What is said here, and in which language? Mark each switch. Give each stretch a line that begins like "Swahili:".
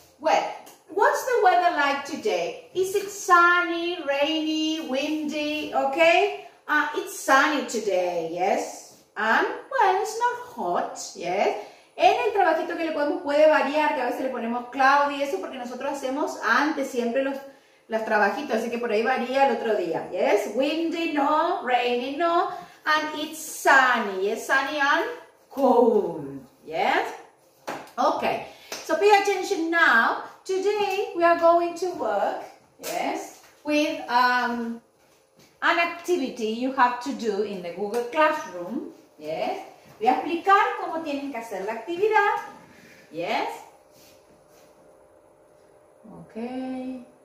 English: Well, what's the weather like today? Is it sunny, rainy, windy, okay? It's sunny today, yes. And, well, it's not hot, yes.
Spanish: En el trabajito que le podemos, puede variar, que a veces le ponemos cloudy, eso porque nosotros hacemos antes siempre los trabajitos, así que por ahí varía el otro día, yes.
English: Windy, no. Rainy, no. And it's sunny, yes, sunny and cold, yes. Okay. So pay attention now. Today we are going to work, yes, with an activity you have to do in the Google Classroom, yes.
Spanish: Voy a explicar cómo tienen que hacer la actividad, yes.
English: Okay.